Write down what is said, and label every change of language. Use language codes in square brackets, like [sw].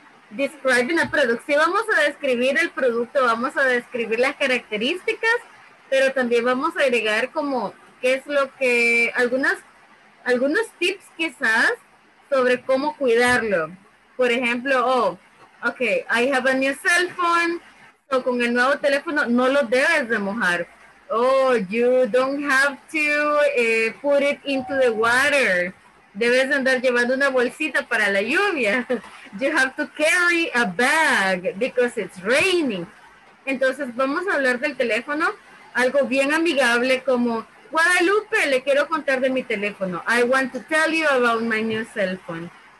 [en] Describing a product. [es] Sí, vamos a describir el producto, vamos a describir las características, pero también vamos a agregar como qué es lo que algunos tips quizás sobre cómo cuidarlo. Por ejemplo, [en] okay, I have a new cell phone. [es] So, con el nuevo teléfono, no lo debes de mojar. [en] Oh, you don't have to put it into the water. [es] Debes andar llevando una bolsita para la lluvia. [en] You have to carry a bag because it's raining. [es] Entonces, vamos a hablar del teléfono. Algo bien amigable como, Guadalupe, le quiero contar de mi teléfono. [en] I want to tell you about my new cell phone.